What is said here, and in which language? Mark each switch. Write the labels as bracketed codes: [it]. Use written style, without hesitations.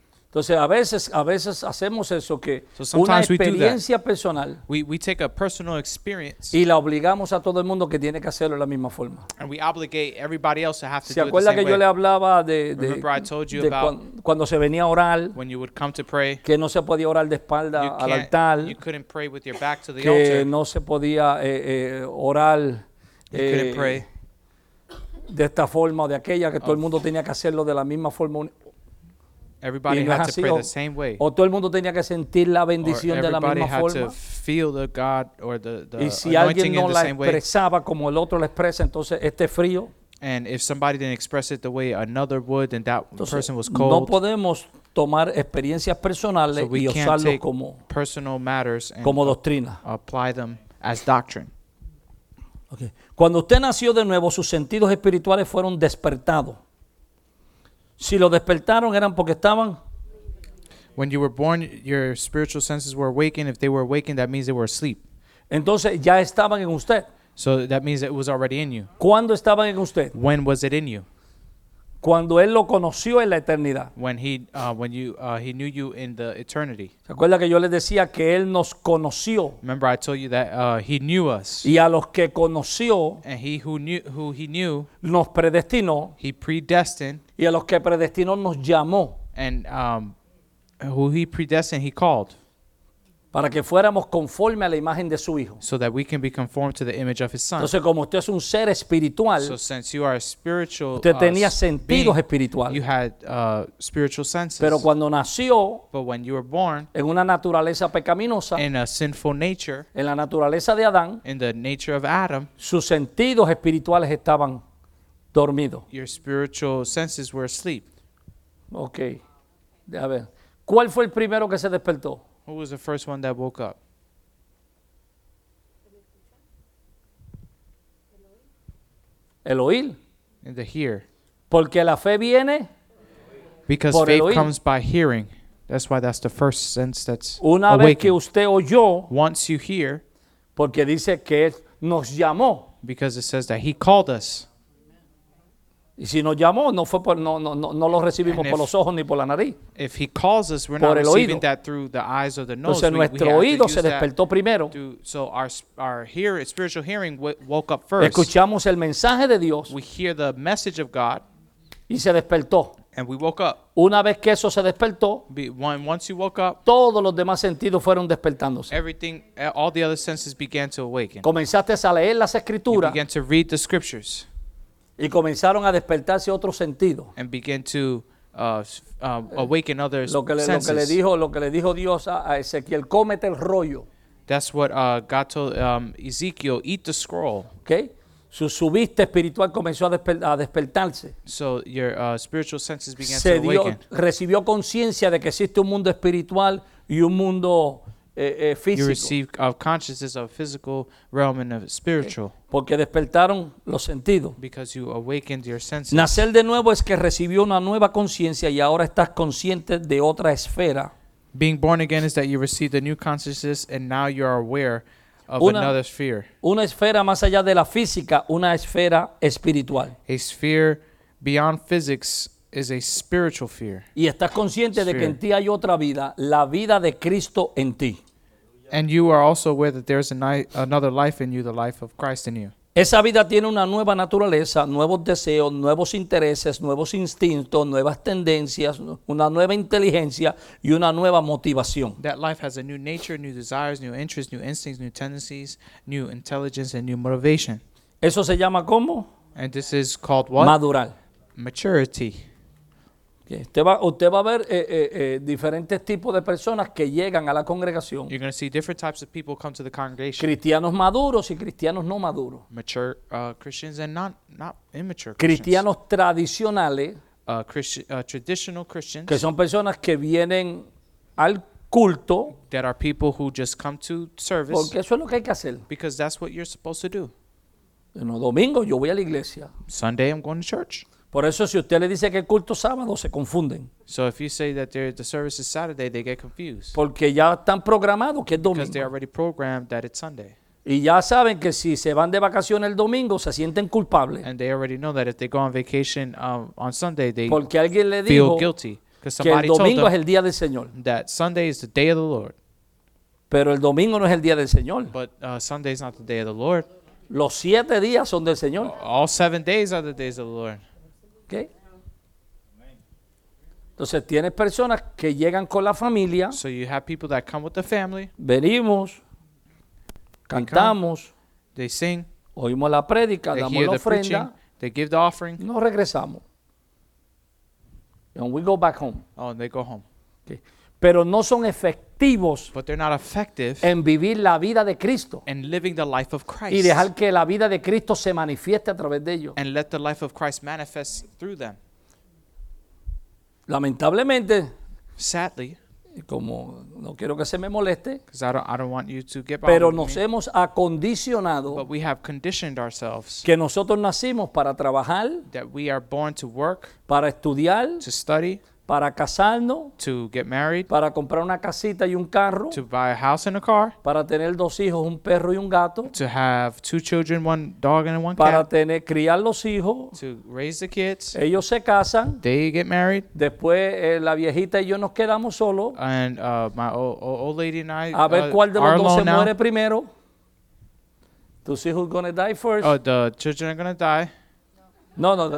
[es] Entonces, a veces hacemos eso que una experiencia personal. [en] We take a personal experience. [es] Y la obligamos a todo el mundo que tiene que hacerlo de la misma forma. [en] And we obligate everybody else to have to do it the same way. [es] ¿Se acuerda que yo le hablaba de [en] remember I told you [es] de [en] about [es] cuando se venía a orar? [en] When you would come to pray. [es] Que no se podía orar de espalda al altar. [en] You couldn't pray with your back to the altar. [es] Que no se podía orar. [en] You couldn't pray. [es] De esta forma o de aquella que todo el mundo tenía que hacerlo de la misma forma. [en] Everybody had to pray the same way. [es] O todo el mundo tenía que sentir la bendición de la misma forma. [en] Everybody had to feel the God or the [es] y si alguien no la expresaba como el otro la expresa, entonces este frío. [en] And if somebody didn't express it the way another would, then that [es] entonces, [en] person was cold. [es] No podemos tomar experiencias personales [en] so [es] y usarlo como [en] personal matters and [es] como doctrina. [en] Apply them as doctrine. Okay. [es] Cuando usted nació de nuevo, sus sentidos espirituales fueron despertados. Si lo despertaron, eran porque estaban. [en] When you were born, your spiritual senses were awakened. If they were awakened, that means they were asleep. [es] Entonces, ya estaban en usted. [en] So that means it was already in you. [es] ¿Cuándo estaban en usted? [en] When was it in you? [es] Cuando él lo conoció en la eternidad. [en] When he knew you in the eternity. [es] ¿Se acuerda que yo les decía que él nos conoció? [en] Remember I told you that he knew us. [es] Y a los que conoció. [en] And he who he knew. [es] Nos predestinó. [en] He predestined. [es] Y a los que predestinó nos llamó. [en] And who he predestined he called. [es] para que fuéramos conforme a la imagen de su hijo. [en] So that we can be conformed to the image of his son. [es] Entonces, como usted es un ser espiritual, [en] so since you are a spiritual, [es] usted tenía sentidos espirituales. [en] You had spiritual senses. [es] Pero cuando nació, [en] but when you were born, [es] en una naturaleza pecaminosa, [en] in a sinful nature, [es] en la naturaleza de Adán, [en] in the nature of Adam, [es] sus sentidos espirituales estaban dormidos. [en] Your spiritual senses were asleep. Okay. [es] A ver, ¿cuál fue el primero que se despertó? [en] Who was the first one that woke up? [es] El oír. [en] In the hear. [es] Porque la fe viene. [en] Because [es] por [en] faith [es] el oír. [en] Comes by hearing. That's why that's the first sense that's [es] una [en] awakened. [es] Vez que usted oyó. [en] Once you hear. [es] Porque dice que él nos llamó. [en] Because it says that he called us. [es] Y si nos llamó, no fue por no lo recibimos por los ojos ni por la nariz. [en] If he calls us, we're not receiving that through the eyes or the nose. [es] Entonces nuestro oído se despertó primero. [en] So our spiritual hearing woke up first. [es] Escuchamos el mensaje de Dios. [en] We hear the message of God. [es] Y se despertó. [en] And we woke up. [es] Una vez que eso se despertó, [en] once you woke up, [es] todos los demás sentidos fueron despertándose. [en] Everything, all the other senses began to awaken. [es] Comenzaste a leer las escrituras. [en] You began to read the scriptures. [es] Y comenzaron a despertarse otros sentidos. [en] And began to awaken other senses. [es] Lo que le dijo Dios a Ezequiel, cómete el rollo. [en] That's what God told Ezekiel, eat the scroll. [es] Okay. Su vista espiritual comenzó a despertarse. [en] So your spiritual senses began to awaken. [es] Recibió conciencia de que existe un mundo espiritual y un mundo físico. [en] You received consciousness of physical realm and of spiritual. Okay. [es] Porque despertaron los sentidos. [en] Because you awakened your senses. [es] Nacer de nuevo es que recibió una nueva conciencia y ahora estás consciente de otra esfera. [en] Being born again is that you received a new consciousness and now you are aware of another sphere. [es] Una esfera más allá de la física, una esfera espiritual. [en] A sphere beyond physics is a spiritual sphere. [es] Y estás consciente sphere. De que en ti hay otra vida, la vida de Cristo en ti. [en] And you are also aware that there is another life in you, the life of Christ in you. [es] Esa vida tiene una nueva naturaleza, nuevos deseos, nuevos intereses, nuevos instintos, nuevas tendencias, una nueva inteligencia y una nueva motivación. [en] That life has a new nature, new desires, new interests, new instincts, new tendencies, new intelligence, and new motivation. [es] Eso se llama ¿cómo? [en] And this is called what? [es] Madurar. [en] Maturity. [es] Usted va a ver diferentes tipos de personas que llegan a la congregación. [en] You're going to see different types of people come to the congregation. [es] Cristianos maduros y cristianos no maduros. [en] Mature Christians and not immature Christians. [es] Cristianos tradicionales. [en] Traditional Christians. [es] Que son personas que vienen al culto. [en] That are people who just come to service. [es] Porque eso es lo que hay que hacer. [en] Because that's what you're supposed to do. [es] No, domingo yo voy a la iglesia. [en] Sunday I'm going to church. [es] Por eso si usted le dice que el culto es sábado, se confunden. [en] So if you say that the service is Saturday, they get confused. [es] Porque ya están programados que es domingo. [en] Because they already programmed that it's Sunday. [es] Y ya saben que si se van de vacaciones el domingo, se sienten culpables. [en] And they already know that if they go on vacation on Sunday, they [es] porque alguien le [en] feel [es] dijo [en] guilty. [es] Que el domingo es el día del Señor. [en] That Sunday is the day of the Lord. [es] Pero el domingo no es el día del Señor. [en] But Sunday is not the day of the Lord. [es] Los siete días son del Señor. [en] All 7 days are the days of the Lord. Okay. [es] Entonces tienes personas que llegan con la familia. [en] So you have people that come with the family. [es] Venimos, cantamos, [en] they sing, [es] oímos la prédica, damos la ofrenda, [en] they give the offering. [es] No regresamos. [en] And we go back home. Oh, and they go home. [es] Okay. Pero no son efectivos. [en] But they're not effective. [es] En vivir la vida de Cristo. [en] In living the life of Christ. [es] Y dejar que la vida de Cristo se manifieste a través de ellos. [en] And let the life of Christ manifest through them. [es] Lamentablemente. [en] Sadly. [es] Como no quiero que se me moleste. [en] Because I don't want you to get by. [es] Pero nos hemos acondicionado. [en] But we have conditioned ourselves. [es] Que nosotros nacimos para trabajar. [en] That we are born to work. [es] Para estudiar. [en] To study. [es] Para casarnos, [en] to get married, [es] para comprar una casita y un carro, [en] to buy a house and a car, [es] para tener dos hijos, un perro y un gato, [en] to have two children, one dog and one [es] para [en] cat, [es] tener, criar los hijos, [en] to raise the kids, [es] ellos se casan, [en] they get married, [es] después la viejita y yo nos quedamos solos, [en] and my old lady and I, [es] a ver cuál de los dos se [en] now. [es] Muere primero, tus hijos [en] are gonna die first, the children are gonna die, [es] no.